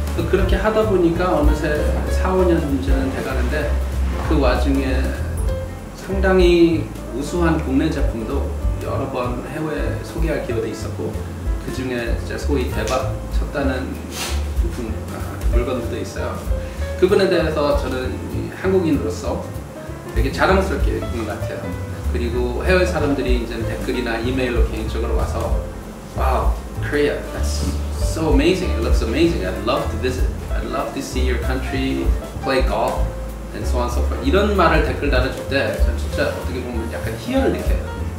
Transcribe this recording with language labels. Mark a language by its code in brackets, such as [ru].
[ko] 그렇게 하다 보니까 어느새 4, 5년쯤 돼가는데 그 와중에 상당히 우수한 국내 제품도 여러 번 해외 소개할 기회도 있었고 그 중에 이제 소위 대박 쳤다는 부품, 물건들도 있어요. 그분에 대해서 저는 한국인으로서 되게 자랑스럽게 느낀 것 같아요. 그리고 해외 사람들이 이제 댓글이나 이메일로 개인적으로 와서 와우, [en] Korea, that's so amazing. It looks amazing. I'd love to visit. I'd love to see your country play golf and so on and so forth. [ko] 이런 말을 댓글 달아줄 때 저는 진짜 어떻게 보면 약간 희열을 느껴요.